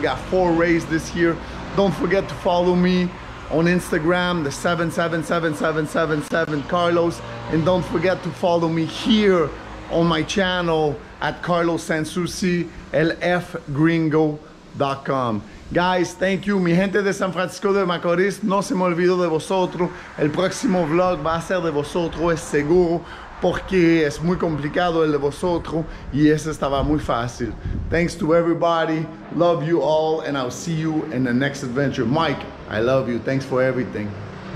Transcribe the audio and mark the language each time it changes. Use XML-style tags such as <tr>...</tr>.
<en>We got four races this year. Don't forget to follow me on Instagram, the 777777 Carlos. And don't forget to follow me here on my channel at Carlos Sansoucy, lfgringo.com. Guys, thank you.</en> <es>Mi gente de San Francisco de Macorís, no se me olvidó de vosotros. El próximo vlog va a ser de vosotros, es seguro, porque es muy complicado el de vosotros y ese estaba muy fácil.</es> <en>Thanks to everybody. Love you all, and I'll see you in the next adventure. Mike, I love you. Thanks for everything.</en>